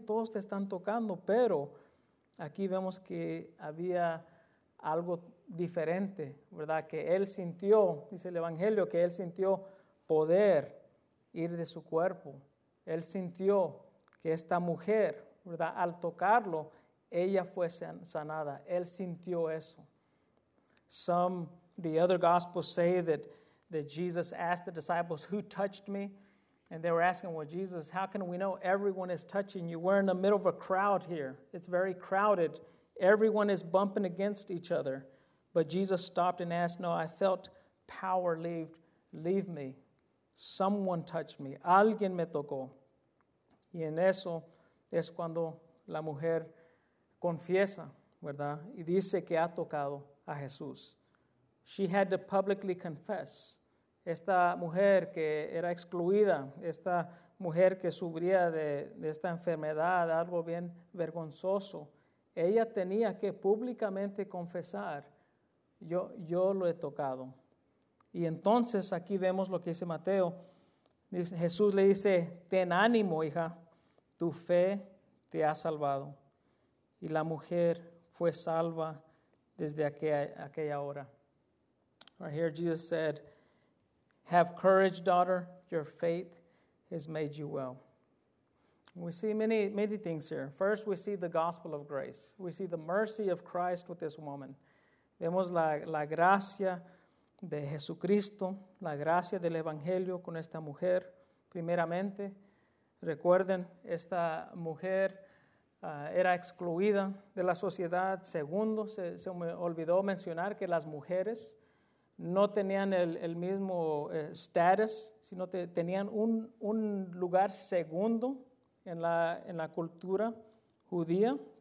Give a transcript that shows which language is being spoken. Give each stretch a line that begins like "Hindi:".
Spanish: Todos te están tocando, pero aquí vemos que había algo diferente, ¿verdad? Que él sintió, dice el Evangelio, que él sintió poder ir de su cuerpo. Él sintió que esta mujer, ¿verdad? Al tocarlo, ella fue sanada. Él sintió eso.
English: Some, the other gospels say that Jesus asked the disciples, who touched me? And they were asking, well, Jesus, how can we know everyone is touching you? We're in the middle of a crowd here. It's very crowded. Everyone is bumping against each other. But Jesus stopped and asked, no, I felt power leave me. Someone touched me.
Spanish: Alguien me tocó. Y en eso es cuando la mujer confiesa, ¿verdad? Y dice que ha tocado a Jesús.
English: She had to publicly confess.
Spanish: Esta mujer que era excluida, esta mujer que sufría de esta enfermedad, algo bien vergonzoso, ella tenía que públicamente confesar, yo lo he tocado. Y entonces aquí vemos lo que dice Mateo. Jesús le dice, ten ánimo, hija, tu fe te ha salvado. Y la mujer fue salva desde aquella hora.
English: Right here Jesus said, have courage, daughter, your faith has made you well. We see many, many things here. First, we see the gospel of grace. We see the mercy of Christ with this woman.
Spanish: Vemos la gracia de Jesucristo, la gracia del Evangelio con esta mujer. Primeramente, recuerden, esta mujer era excluida de la sociedad. Segundo, se me olvidó mencionar que las mujeres no tenían el mismo status, sino tenían un lugar segundo en la cultura judía.